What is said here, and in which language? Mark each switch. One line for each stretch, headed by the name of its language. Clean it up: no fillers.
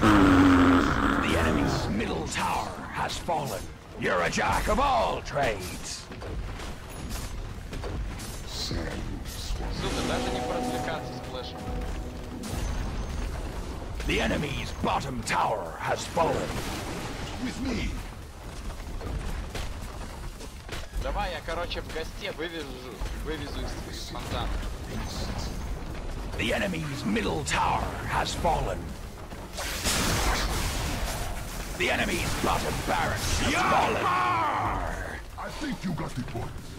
English: The enemy's middle tower has fallen. You're a jack of all trades.
Russian: Сука, даже не поразвлекаться с плэшем.
English: The enemy's bottom tower has fallen. With me.
Russian: Давай я, короче, в гостях вывезу из фонтана.
English: The enemy's middle tower has fallen. The enemy's bottom barracks has fallen. I think you got the point.